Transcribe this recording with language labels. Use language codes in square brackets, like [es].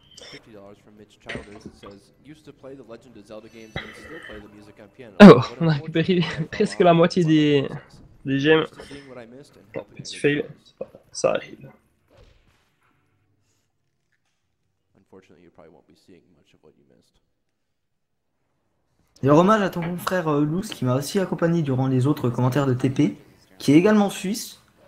[en] $50 from Mitch Childers, it says, used to play the Legend of Zelda games and still play the music on piano. [fr] Oh, on a récupéré presque la moitié des gemmes. Oh, petit fail, ça arrive. [en] Unfortunately, you probably won't be seeing much of what you missed. [fr] Et un hommage à ton bon frère Luz qui m'a aussi accompagné durant les autres commentaires de TP, qui est également suisse.